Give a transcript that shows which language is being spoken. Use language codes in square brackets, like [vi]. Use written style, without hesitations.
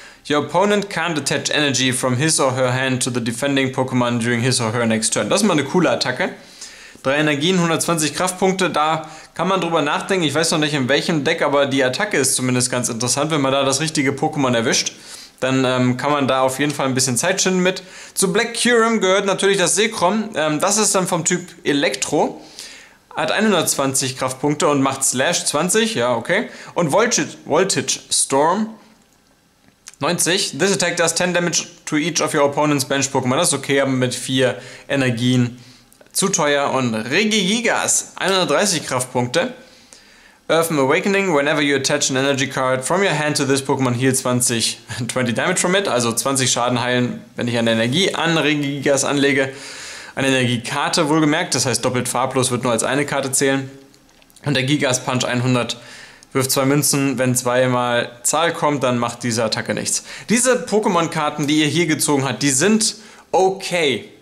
[en] Your opponent can't attach energy from his or her hand to the defending Pokémon during his or her next turn. [de] Das ist mal eine coole Attacke. 3 Energien, 120 Kraftpunkte, da kann man drüber nachdenken. Ich weiß noch nicht, in welchem Deck, aber die Attacke ist zumindest ganz interessant. Wenn man da das richtige Pokémon erwischt, dann kann man da auf jeden Fall ein bisschen Zeit schinden mit. Zu Black Kyurem gehört natürlich das Seekrom. Das ist dann vom Typ Elektro. Hat 120 Kraftpunkte und macht Slash 20, ja, okay. Und Voltage Storm 90. [en] This attack does 10 damage to each of your opponent's bench Pokémon. [de] Das ist okay, aber mit 4 Energien zu teuer. Und Regigigas, 130 Kraftpunkte. [en] Earth Awakening, whenever you attach an energy card from your hand to this Pokémon, heal 20 damage from it. [de] Also 20 Schaden heilen, wenn ich eine Energie an Regigigas anlege. Eine Energiekarte wohlgemerkt, das heißt doppelt farblos, wird nur als eine Karte zählen. Und der Gigas Punch 100, wirft 2 Münzen. Wenn 2 mal Zahl kommt, dann macht diese Attacke nichts. Diese Pokémon-Karten, die ihr hier gezogen habt, die sind okay.